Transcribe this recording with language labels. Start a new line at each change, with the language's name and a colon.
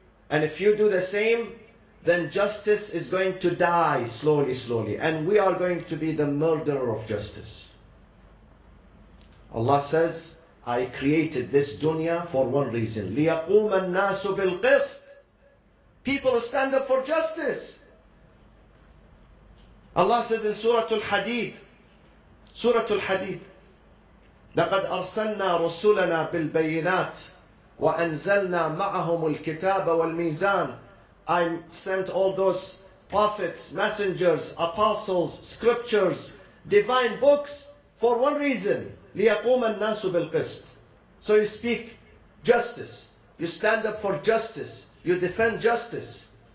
English: And if you do the same, then justice is going to die slowly, slowly. And we are going to be the murderer of justice. Allah says, I created this dunya for one reason.
Arabic: لِيَقُومَ النَّاسُ بِالْقِسْطِ.
English: People stand up for justice. Allah says in Surah Al-Hadid,
Arabic: Surah Al-Hadid, لَقَدْ أَرْسَلْنَا رُسُولَنَا بِالْبَيِّنَاتِ وَأَنْزَلْنَا مَعَهُمُ الْكِتَابَ وَالْمِيزَانِ.
English: I sent all those prophets, messengers, apostles, scriptures, divine books for one reason,
Arabic: لِيَقُومَ النَّاسُ بِالْقِسْطِ.
English: So you speak justice, you stand up for justice, you defend justice.